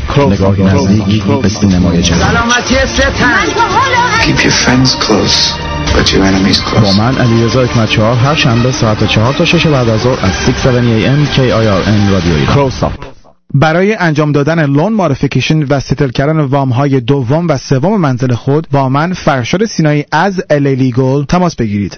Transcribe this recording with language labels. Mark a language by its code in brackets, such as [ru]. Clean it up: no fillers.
[fa] نگاهی نزدیکی به سینمای جهان. سلامتی ستاره. [en] Keep your friends close, but your enemies close. [fa] با من علیرضا حکمت‌چهار هر شنبه ساعت 4 تا 6 بعد از ظهر از 670 AM KIRN رادیو ایران. [en] Close up. [fa] برای انجام دادن لون مودفیکیشن و ستل کردن وام های دوم و سوم منزل خود با من فرشاد سینایی از LA Legal تماس بگیرید.